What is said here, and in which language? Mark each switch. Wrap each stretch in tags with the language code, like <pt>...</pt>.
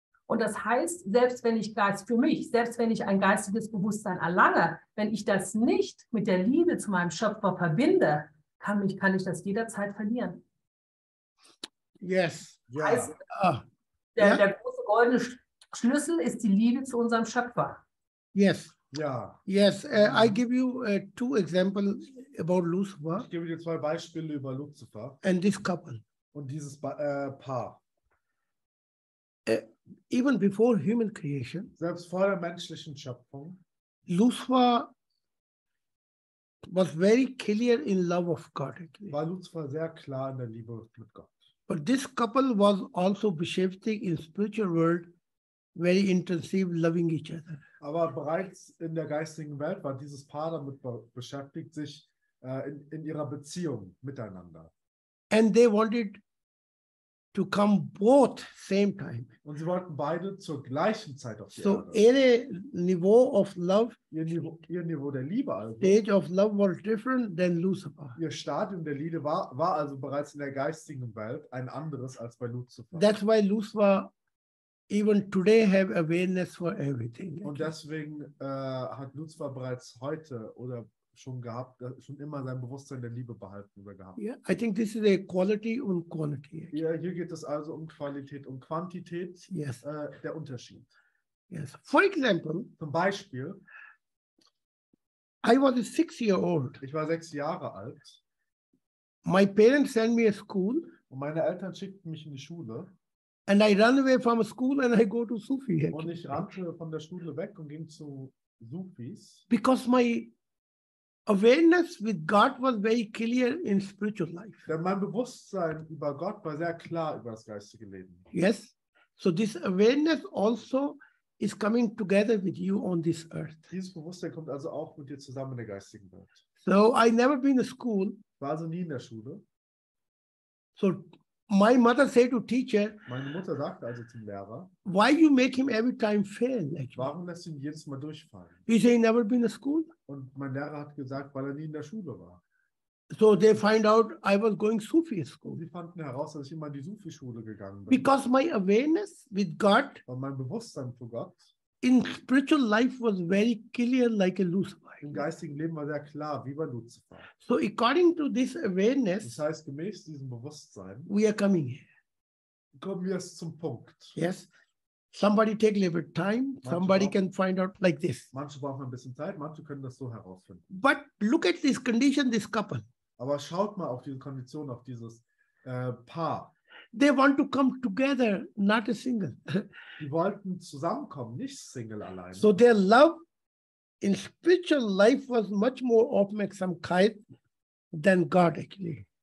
<de>Und das heißt, selbst wenn ich Geist für mich, selbst wenn ich ein geistiges Bewusstsein erlange, wenn ich das nicht mit der Liebe zu meinem Schöpfer verbinde, kann ich das jederzeit verlieren.</de> <en>Yes. Yeah.</en> <de>Heißt, der große goldene Schlüssel ist die Liebe zu unserem Schöpfer.</de> <en>Yes. Yeah. Yes, I give you two examples about Lucifer.</en> <de>Ich gebe dir zwei Beispiele über Lucifer.</de> <en>And this couple.</en> <de>Und dieses Paar.</de> <en>Even before human creation,</en> <de>selbst vor der menschlichen Schöpfung,</de> <en>Lucifer was very clear in love of God.</en> <de>War Lucifer sehr klar in der Liebe mit Gott.</de> <en>But this couple was also</en> <de>beschäftigt</de> <en>in spiritual world, very intensive loving each other.</en> <de>Aber bereits in der geistigen Welt war dieses Paar damit beschäftigt, sich in ihrer Beziehung miteinander.</de> <en>And they wanted to come both same time.</en> <de>Und sie wollten beide zur gleichen Zeit auf die so Erde. So ihr Niveau</de> <en>of love,</en> <de>ihr Niveau der Liebe, also</de> <en>stage of love was different than Lucifer.</en> <de>Ihr Stadium der Liebe war also bereits in der geistigen Welt ein anderes als bei Lucifer.</de> <en>That's why Lucifer even today have awareness for everything.</en> <de>Und deswegen hat Lucifer bereits heute oder schon gehabt, schon immer sein Bewusstsein der Liebe behalten oder gehabt.</de> <en>Yeah, I think this is a quality and quantity.</en> <de>Ja, hier geht es also um Qualität und Quantität.</de> <en>Yes.</en> <de>Der Unterschied.</de> <en>Yes. For example,</en> <de>zum Beispiel,</de> <en>I was 6 years old.</en> <de>Ich war 6 Jahre alt.</de> <en>My parents sent me a school.</en> <de>Und meine Eltern schickten mich in die Schule.</de> <en>And I ran away from school and I go to Sufi.</en> <de>Und ich rannte von der Schule weg und ging zu Sufis.</de> <en>Because my awareness with God was very clear in spiritual life. Denn mein Bewusstsein über Gott war sehr klar über das geistige Leben. Yes. So this awareness also is coming together with you on this earth.</en> <de>Dieses Bewusstsein kommt also auch mit dir zusammen in der geistigen Welt.</de> <en>So I never been in school.</en> <de>War also nie in der Schule.</de> <en>So my mother said to teacher.</en> <de>Meine Mutter sagte also zum Lehrer.</de> <en>Why you make him every time fail? Like,</en> <de>warum lässt du ihn jedes Mal durchfallen?</de> <en>He said he never been in school.</en> <de>Und mein Lehrer hat gesagt, weil er nie in der Schule war.</de> <en>So they find out I was going Sufi school.</en> <de>Sie fanden heraus, dass ich immer in die Sufi-Schule gegangen bin.</de> <en>Because my awareness with God.</en> <de>Und mein Bewusstsein für Gott.</de> <en>In spiritual life was very clear like a Lucifer.</en> <de>Im geistigen Leben war sehr klar, wie bei Lucifer.</de> <en>So according to this awareness.</en> <de>Das heißt, gemäß diesem Bewusstsein.</de> <en>We are coming here.</en> <de>Kommen wir jetzt zum Punkt.</de> <en>Yes. Somebody take a little bit time.</en> <de>Manche</de> <en>somebody</en> <de>brauchen,</de> <en>can find out like this.</en> <de>Manche brauchen ein bisschen Zeit. Manche können das so herausfinden.</de> <en>But look at this condition, this couple.</en> <de>Aber schaut mal auf diese Kondition, auf dieses Paar.</de> <en>They want to come together, not a single.</en> <de>Die wollten zusammenkommen, nicht single allein.</de> <en>So their love in spiritual life was much more</en> <de>Aufmerksamkeit</de> <en>than God actually.</en>